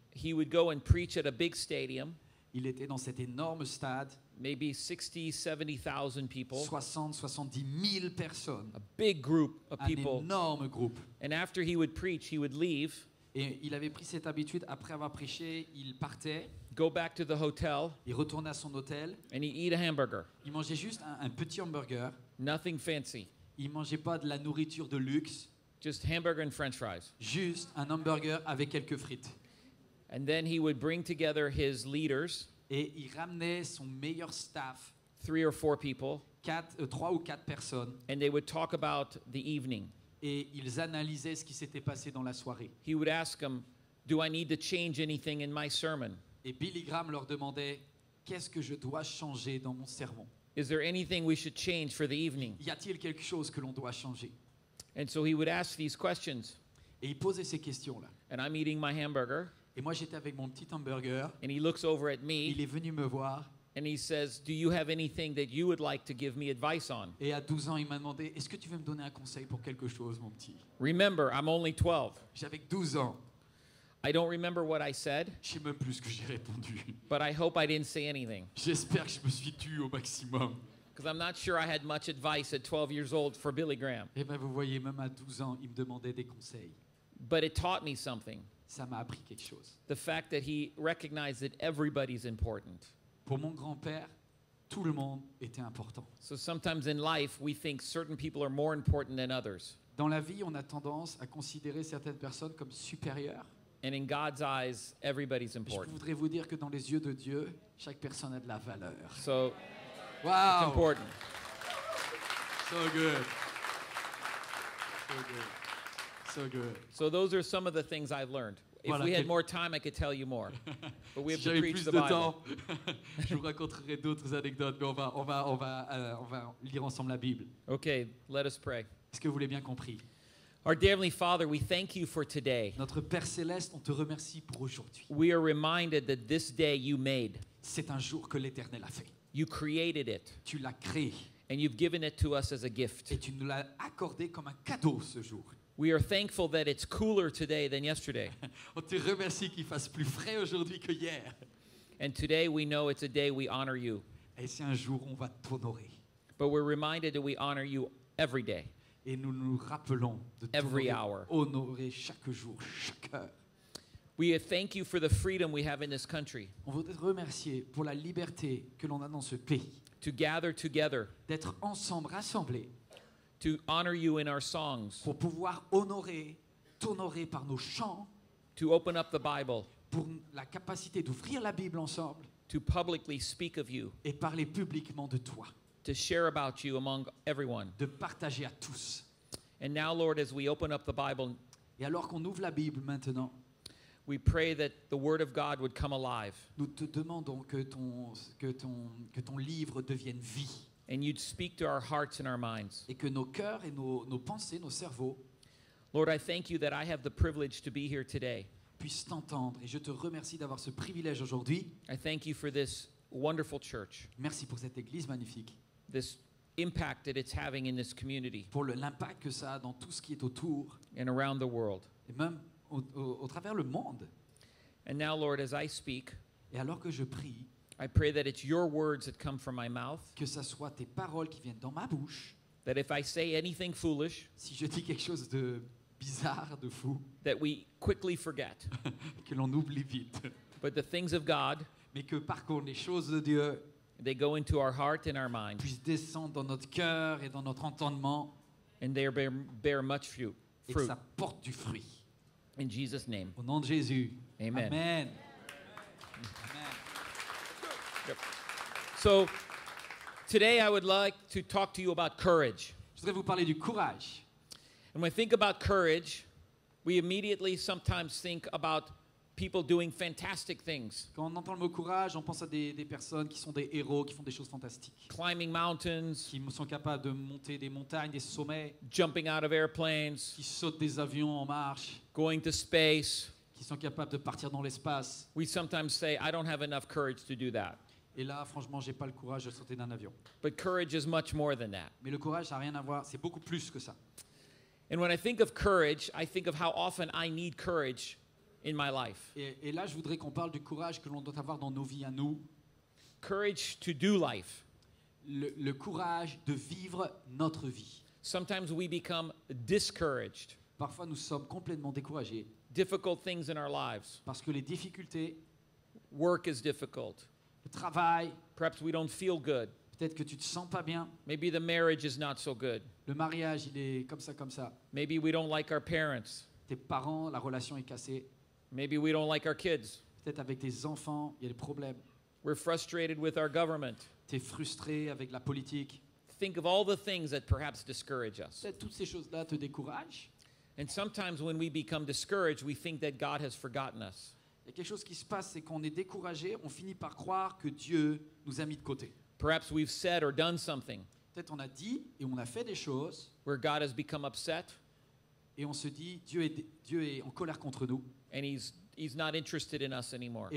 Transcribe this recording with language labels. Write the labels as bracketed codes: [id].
[en] He would go and preach at a big stadium. [fr] Il était dans cet énorme stade. [en] Maybe 60,000-70,000 people. [fr] 60,000-70,000 personnes. [en] A big group of people. [fr] Un énorme groupe. [en] And after he would preach, he would leave. [fr] Et il avait pris cette habitude, après avoir prêché, il partait. [en] Go back to the hotel. [fr] Il retournait à son hôtel. [en] And he eat a hamburger. [fr] Il mangeait juste un petit hamburger. [en] Nothing fancy. [fr] Il mangeait pas de la nourriture de luxe. [en] Just hamburger and french fries. [fr] Juste un hamburger avec quelques frites. [en] And then he would bring together his leaders. [fr] Et il ramenait son meilleur staff, [en] 3 or 4 people, [fr] 3 ou 4 personnes, [en] and they would talk about the evening. [fr] Et ils analysaient ce qui s'était passé dans la soirée. [en] He would ask them, "Do I need to change anything in my sermon?" [fr] Et Billy Graham leur demandait, "Qu'est-ce que je dois changer dans mon sermon?" [en] Is there anything we should change for the evening? [fr] Y a-t-il quelque chose que l'on doit changer? [en] And so he would ask these questions. [fr] Et il posait ces questions-là. [en] And I'm eating my hamburger. [fr] Et moi j'étais avec mon petit hamburger. [en] And he looks over at me. [fr] Il est venu me voir. [en] And he says, "Do you have anything that you would like to give me advice on?" [fr] Et à 12 ans, il m'a demandé, "Est-ce que tu veux me donner un conseil pour quelque chose, mon petit?" [en] Remember, I'm only 12. [fr] J'avais 12 ans. [en] I don't remember what I said. [fr] Je sais même plus ce que j'ai répondu. [en] But I hope I didn't say anything. [fr] J'espère que je me suis tu au maximum. [en] Because I'm not sure I had much advice at 12 years old for Billy Graham. [fr] Et ben vous voyez, même à 12 ans, il me demandait des conseils. [en] But it taught me something. [fr] Ça m'a appris quelque chose. [en] The fact that he recognized that everybody's important. [fr] Pour mon grand-père, tout le monde était important. [en] So sometimes in life, we think certain people are more important than others. [fr] Dans la vie, on a tendance à considérer certaines personnes comme supérieures. [en] And in God's eyes, everybody's important. [fr] Je voudrais vous dire que dans les yeux de Dieu, chaque personne a de la valeur. [en] So, wow. It's important. So good. So good. So good. So those are some of the things I've learned. If we had more time, I could tell you more. But we have [fr] si [en] to preach [fr] plus [en] the [fr] de [en] Bible. [fr] Temps, je vous raconterai d'autres anecdotes, mais on va lire ensemble la Bible. [en] Okay, let us pray. [fr] Est-ce que vous l'avez bien compris? [en] Our Heavenly Father, we thank you for today. [fr] Notre Père Céleste, on te remercie pour aujourd'hui. [en] We are reminded that this day you made. [fr] C'est un jour que l'Éternel a fait. [en] You created it. [fr] Tu l'as créé. [en] And you've given it to us as a gift. [fr] Et tu nous l'as accordé comme un cadeau ce jour. [en] We are thankful that it's cooler today than yesterday. [fr] On te remercie qu'il fasse plus frais aujourd'hui que hier. [en] And today we know it's a day we honor you. [fr] Et c'est un jour où on va t'honorer. [en] But we're reminded that we honor you every day. [fr] Et nous nous rappelons de [en] every hour. [fr] Honorer chaque jour, chaque heure. [en] We thank you for the freedom we have in this country. [fr] On veut te remercier pour la liberté que l'on a dans ce pays. [en] To gather together. [fr] D'être ensemble, rassemblés. [en] To honor you in our songs. [fr] Pour pouvoir honorer, t'honorer par nos chants. [en] To open up the Bible. [fr] Pour la capacité d'ouvrir la Bible ensemble. [en] To publicly speak of you. [fr] Et parler publiquement de toi. [en] To share about you among everyone. [fr] De partager à tous. [en] And now, Lord, as we open up the Bible, [fr] et alors qu'on ouvre la Bible maintenant, [en] we pray that the Word of God would come alive. [fr] Nous te demandons que ton livre devienne vie. [en] And you'd speak to our hearts and our minds. [fr] Et que nos cœurs et nos pensées, nos cerveaux. [en] Lord, I thank you that I have the privilege to be here today. [fr] Puisse t'entendre et je te remercie d'avoir ce privilège aujourd'hui. [en] I thank you for this wonderful church. [fr] Merci pour cette église magnifique. [en] This impact that it's having in this community. [fr] Pour l'impact que ça a dans tout ce qui est autour. [en] And around the world. [fr] Et même au travers le monde. [en] And now, Lord, as I speak. [fr] Et alors que je prie. [en] I pray that it's your words that come from my mouth. [fr] Que ça soit tes paroles qui viennent dans ma bouche. [en] That if I say anything foolish, [fr] si je dis quelque chose de bizarre, de fou, [en] that we quickly forget. [fr] Que l'on oublie vite. [en] But the things of God, [fr] mais que par contre les choses de Dieu, [en] they go into our heart and our mind, [fr] puissent descendre dans notre cœur et dans notre entendement, [en] and they bear much fruit. [fr] Et que ça porte du fruit. [en] In Jesus' name. [fr] Au nom de Jésus. [en] Amen. [fr] Amen. [en] Yep. So today I would like to talk to you about courage. [fr] Je voudrais vous parler du courage. [en] And when I think about courage, we immediately sometimes think about people doing fantastic things. [fr] Quand on entend le mot courage, on pense à des personnes qui sont des héros, qui font des choses fantastiques. [en] Climbing mountains, [fr] qui sont capables de monter des montagnes, des sommets. [en] Jumping out of airplanes, [fr] qui sautent des avions en marche. [en] Going to space, [fr] qui sont capables de partir dans l'espace. [en] We sometimes say I don't have enough courage to do that. [fr] Et là, franchement, j'ai pas le courage de sauter d'un avion. [en] But courage is much more than that. [fr] Mais le courage, ça a rien à voir. C'est beaucoup plus que ça. [en] And when I think of courage, I think of how often I need courage in my life. [fr] Et là, je voudrais qu'on parle du courage que l'on doit avoir dans nos vies à nous. [en] Courage to do life. [fr] Le courage de vivre notre vie. [en] Sometimes we become discouraged. [fr] Parfois, nous sommes complètement découragés. [en] Difficult things in our lives. [fr] Parce que les difficultés. [en] Work is difficult. [fr] Le travail. [en] Perhaps we don't feel good. [fr] Peut-être que tu te sens pas bien. [en] Maybe the marriage is not so good. [fr] Le mariage, il est comme ça, comme ça. [en] Maybe we don't like our parents. [fr] Tes parents, la relation est cassée. [en] Maybe we don't like our kids. [fr] Peut-être avec tes enfants, il y a des problèmes. [en] We're frustrated with our government. [fr] T'es frustré avec la politique. [en] Think of all the things that perhaps discourage us. [fr] Peut-être toutes ces choses-là te découragent. [en] And sometimes when we become discouraged, we think that God has forgotten us. [fr] Il y a quelque chose qui se passe, c'est qu'on est découragé, on finit par croire que Dieu nous a mis de côté. [en] Perhaps we've said or done something. [fr] Peut-être on a dit et on a fait des choses. [en] Where God has become upset. [fr] Et on se dit, Dieu est en colère contre nous. [en] And he's not interested in us anymore.